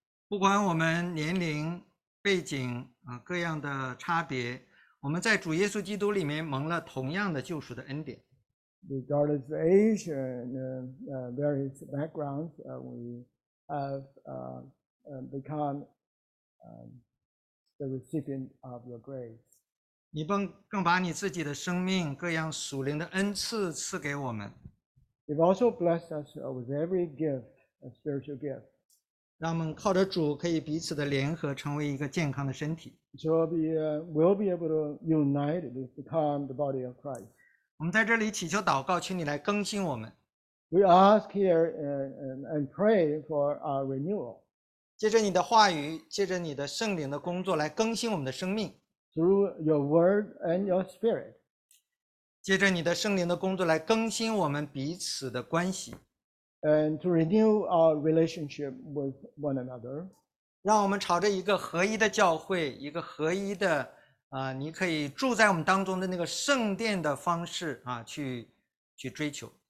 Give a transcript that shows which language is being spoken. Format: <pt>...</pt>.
<zh>不管我们年龄、背景、各样的差别，我们在主耶稣基督里面蒙了同样的救赎的恩典。</zh> <en>Regardless of age and various backgrounds, we have become the recipient of your grace.</en> <zh>你更把你自己的生命、各样属灵的恩赐赐给我们。</zh> <en>You've also blessed us with every gift, a spiritual gift.</en> <zh>让我们靠着主可以彼此的联合，成为一个健康的身体。</zh> <en>So we'll be able to unite to become the body of Christ.</en> <zh>我们在这里祈求祷告，请你来更新我们。</zh> <en>We ask here and pray for our renewal.</en> <zh>借着你的话语，借着你的圣灵的工作，来更新我们的生命。</zh> <en>Through your word and your spirit.</en> <zh>借着你的圣灵的工作，来更新我们彼此的关系。</zh> <en>And to renew our relationship with one another.</en> <zh>让我们朝着一个合一的教会，一个合一的你可以住在我们当中的那个圣殿的方式去追求。</zh>